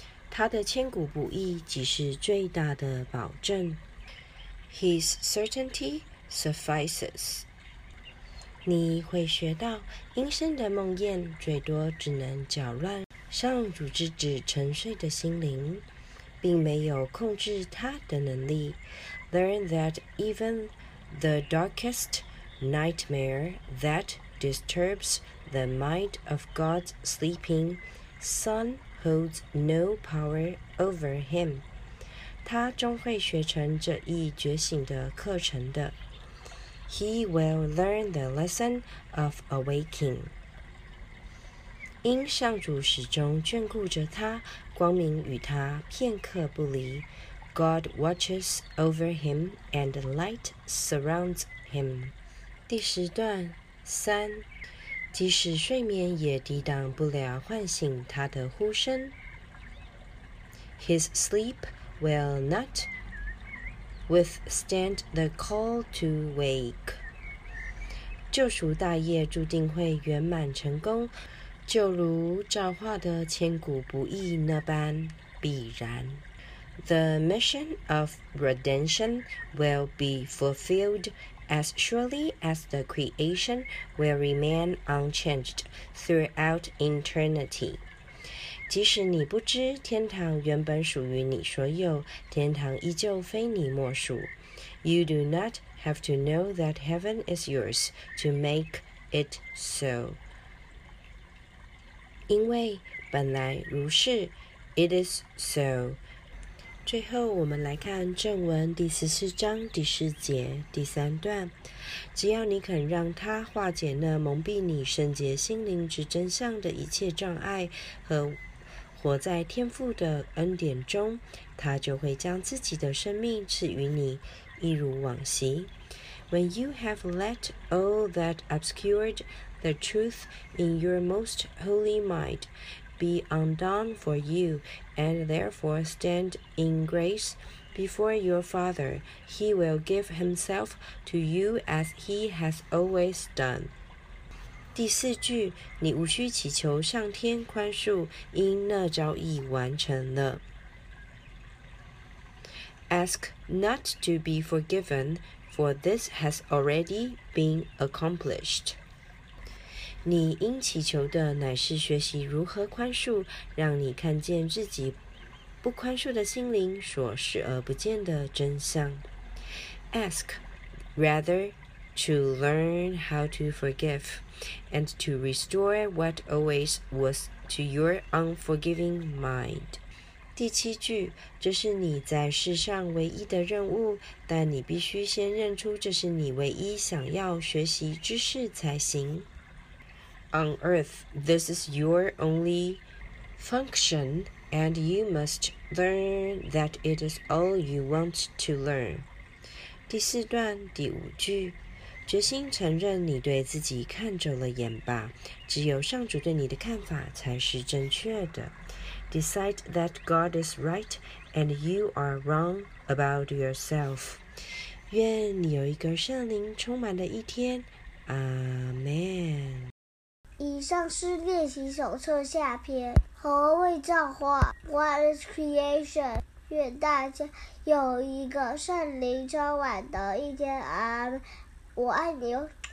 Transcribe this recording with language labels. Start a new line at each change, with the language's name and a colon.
Chinese: 他的千古不易即是最大的保证。
English: His certainty suffices.
Chinese: 你会学到，阴森的梦魇最多只能搅乱上主之子沉睡的心灵，并没有控制他的能力。
English: Learn that even the darkest nightmare that disturbs the mind of God's sleeping son holds no power over him.
Chinese: 他终会学成这一觉醒的课程的。
English: He will learn the lesson of awakening.
Chinese: 因上主始终眷顾着他，光明与他片刻不离。
English: God watches over him and light surrounds him.
Chinese: 第十段三，即使睡眠也抵挡不了唤醒他的呼声。
English: His sleep will not withstand the call to wake.
Chinese: 救赎大业注定会圆满成功，就如造化的千古不易那般必然。
English: The mission of redemption will be fulfilled as surely as the creation will remain unchanged throughout eternity.
Chinese: 即使你不知天堂原本属于你所有，天堂依旧非你莫属。
English: You do not have to know that heaven is yours to make it so.
Chinese: 因为本来如是 ，
English: it is so.
Chinese: 最后我们来看正文第十四章第十节第三段，只要你肯让他化解那蒙蔽你圣洁心灵之真相的一切障碍，和活在天父的恩典中，他就会将自己的生命赐予你，一如往昔。
English: When you have let all that obscured the truth in your most holy mindbe undone for you, and therefore stand in grace before your Father. He will give himself to you as he has always done.
Chinese: 第四句，你无需祈求上天宽恕，因那早已完成了。
English: Ask not to be forgiven, for this has already been accomplished.
Chinese: 你应祈求的乃是学习如何宽恕，让你看见自己不宽恕的心灵所视而不见的真相。
English: Ask rather to learn how to forgive and to restore what always was to your unforgiving mind.
Chinese: 第七句，这是你在世上唯一的任务，但你必须先认出这是你唯一想要学习知识才行。
English: On earth, this is your only function, and you must learn that it is all you want to learn.
Chinese: 第四段第五句，决心承认你对自己看走了眼吧，只有上主对你的看法才是正确的。
English: Decide that God is right, and you are wrong about yourself.
Chinese: 愿你有一个圣灵充满的一天。
English: Amen.
Chinese: 以上是练习手册下篇，何谓造化 ？
English: What is creation？
Chinese: 愿大家有一个圣灵充满的一天啊！我爱你哦。